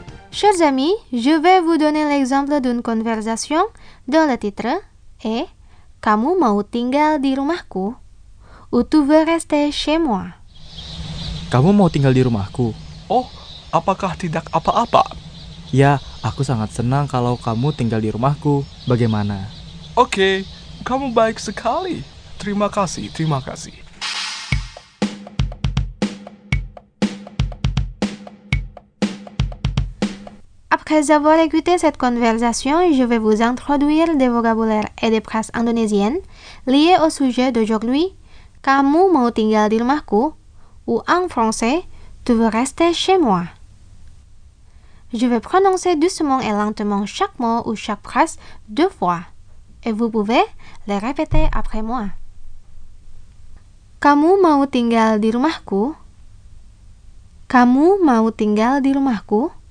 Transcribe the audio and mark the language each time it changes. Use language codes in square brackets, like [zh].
[fr] Chers amis, je vais vous donner l'exemple d'une conversation dont le titre est « [id] Kamu mau tinggal di rumahku? [fr] Ou tu veux rester chez moi? » [id] Kamu mau tinggal di rumahku? Oh, apakah tidak apa-apa? Ya, aku sangat senang kalau kamu tinggal di rumahku. Bagaimana? Oke, kamu baik sekali. Terima kasih, terima kasih. [fr] Après avoir écouté cette conversation, je vais vous introduire des vocabulaires et des phrases indonésiennes liées au sujet d'aujourd'hui. [id] Kamu mau tinggal di rumahku? [fr] Ou en français, tu veux rester chez moi? Je vais prononcer doucement et lentement chaque mot ou chaque phrase deux fois. Et vous pouvez les répéter après moi. [id] Kamu mau tinggal di rumahku? Kamu mau tinggal di rumahku?